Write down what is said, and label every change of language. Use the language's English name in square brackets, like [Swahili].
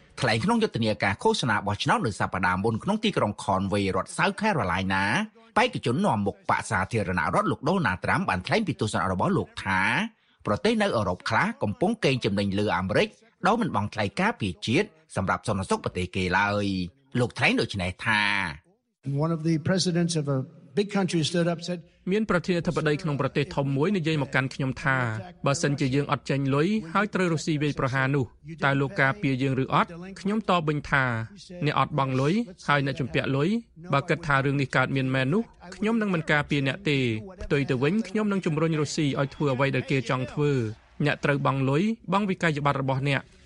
[Khmer] ថ្លែងក្នុងយុទ្ធនាការឃោសនាបោះឆ្នោតនៅសប្តាហ៍មុនក្នុងទីក្រុង Conway រដ្ឋ South Carolina បេក្ខជននាំមុខបក្សសាធារណរដ្ឋលោក Donald Trump បានថ្លែងពីទស្សនៈរបស់លោកថាប្រទេសនៅអឺរ៉ុបខ្លះកំពុងកេងចំណេញលើអាមេរិកដោយមិនបង់ថ្លៃការពារជាតិសម្រាប់សន្តិសុខប្រទេសគេឡើយលោកថ្លែងដូចនេះថា [English] One of the presidents of a big country stood up said [Khmer] មានប្រធានាធិបតីក្នុងប្រទេសធំមួយនិយាយមកកាន់ខ្ញុំថាបើសិនជាយើងអត់ចាញ់លុយហើយត្រូវរុស្ស៊ីវាយប្រហារនោះតើលោកការពារយើងឬអត់ខ្ញុំតបវិញថាអ្នកអត់បង់លុយហើយអ្នកជំពាក់លុយបើគិតថារឿងនេះកើតមានមែននោះខ្ញុំនឹងមិនការពារអ្នកទេផ្ទុយទៅវិញខ្ញុំនឹងជំរុញរុស្ស៊ីឲ្យធ្វើអ្វីដែលគេចង់ធ្វើអ្នកត្រូវបង់លុយបង់វិក័យប័ត្ររបស់អ្នក